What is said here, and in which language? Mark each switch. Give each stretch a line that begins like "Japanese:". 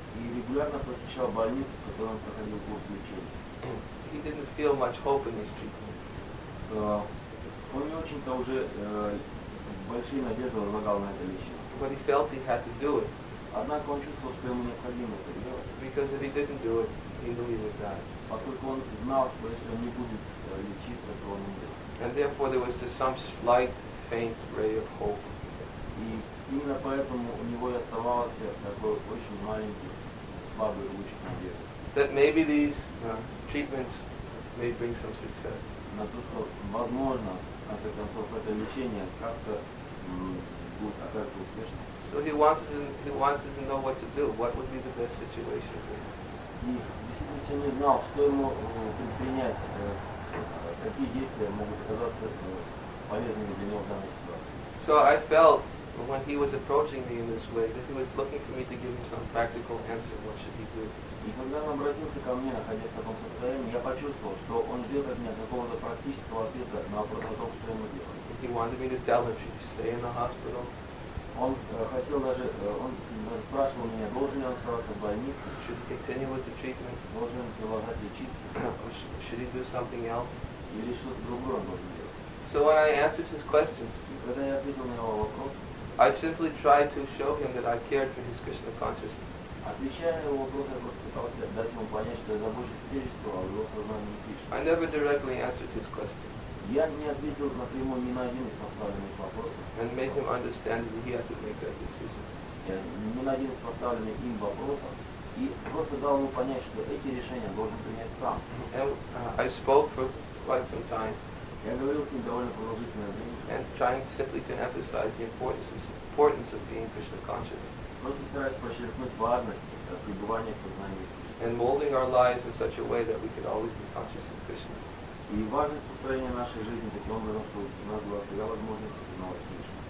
Russian: И регулярно посещал больницу, в которой он проходил курс лечения.
English: He didn't feel much hope in his treatment.
Russian: Он не очень-то уже большие надежды возлагал на это лечение.
English: But he felt he had to do it.
Russian: Однако он чувствовал, что ему необходимо это делать.
English: Because if he didn't do it, he knew he would die.
Russian: Поскольку он знал, что если он не будет лечиться, то он умрет.
English: And therefore there was just some slight faint ray of hope.
Russian: И именно поэтому у него и оставался такой очень маленький слабый луч надежды.
English: That maybe these treatments may bring some success.
Russian: На то, что возможно, в конце концов, это лечение как-то будет оказаться успешным.
English: So he wanted to know what to do, what would be the best situation for him.
Russian: И действительно не знал, что ему предпринять, какие действия могут оказаться полезными для него в данной ситуации.
English: So I felt when he was approaching me in this way, that he was looking for me to give him some practical answer, what should he do.
Russian: И когда он обратился ко мне, находясь в таком состоянии, я почувствовал, что он ждет от меня какого-то практического ответа на вопрос о том, что ему делать.
English: He wanted me to tell him, should he stay in the hospital?
Russian: Он хотел даже, он спрашивал меня, должен ли он оставаться в больнице?
English: Should he continue with the treatment?
Russian: Должен ли он продолжать лечиться?
English: Should he do something else?
Russian: Или что-то другое он должен делать?
English: So when I answered his questions,
Russian: когда я ответил на его вопросы,
English: I simply tried to show him that I cared for his Krishna consciousness.
Russian: Отвечая на его вопрос, я просто пытался дать ему понять, что я забочусь о его сознании Кришны.
English: I never directly answered his question.
Russian: Я не ответил напрямую ни на один из поставленных вопросов.
English: And made him understand that he had to make that decision.
Russian: Я ни на один из поставленных им вопросов и просто дал ему понять, что эти решения должен принять сам.
English: And I spoke for quite some time.
Russian: Я говорил с ним довольно продолжительное время.
English: And trying simply to emphasize the importance of being Krishna conscious.
Russian: Просто стараясь подчеркнуть важность пребывания в сознании Кришны.
English: And molding our lives in such a way that we could always be conscious of Krishna.
Russian: И важность построения нашей жизни таким образом, чтобы у нас была всегда возможность познавать Кришну.